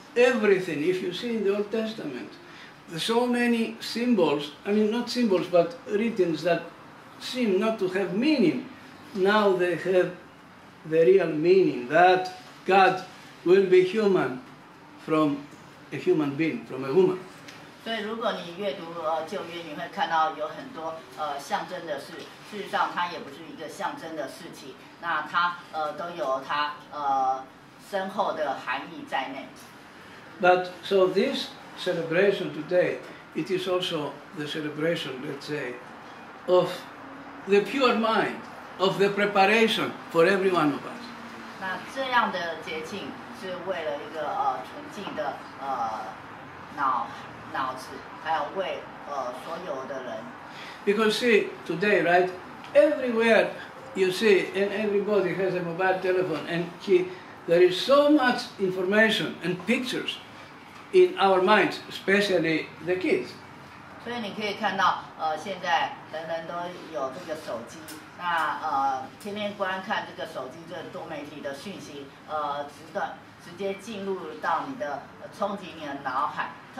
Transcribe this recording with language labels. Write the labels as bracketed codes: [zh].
[en] Everything, if you see in the Old Testament, so many symbols, I mean not symbols, but writings that seem not to have meaning, now they have the real meaning, that God will be human from a human being, from a woman. [zh] 所以如果你阅读旧约，你会看到有很多象征的事，事实上它也不是一个象征的事情，那它都有它深厚的含义在内。 [en] But so this celebration today, it is also the celebration, let's say, of the pure mind of the preparation for every one of us. [zh] 那这样的捷径是为了一个纯净的脑子，还有为所有的人。 [en] Because see today, right? Everywhere you see, and everybody has a mobile telephone, and there is so much information and pictures in our minds, especially the kids. [zh] 所以你可以看到，现在人人都有这个手机，那天天观看这个手机这个多媒体的讯息，直接进入到你的冲击你的脑海。